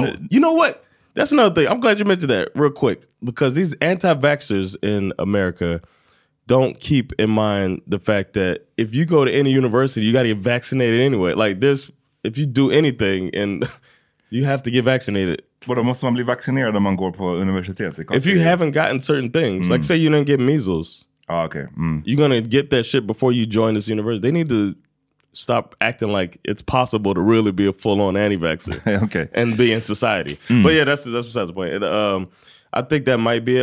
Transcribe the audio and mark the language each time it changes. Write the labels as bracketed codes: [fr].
[en] you know what? That's another thing. I'm glad you mentioned that real quick, because these anti-vaxxers in America don't keep in mind the fact that if you go to any university, you got to get vaccinated anyway. Like, there's, if you do anything and you have to get vaccinated. [sv] Vadå, måste man bli vaccinerad om man går på universitetet? [en] If you haven't gotten certain things, like say you didn't get measles. Oh, okay. You're gonna get that shit before you join this university. They need to stop acting like it's possible to really be a full-on anti-vaxxer. Okay. And be in society. But yeah, that's besides the point. I think that might be it.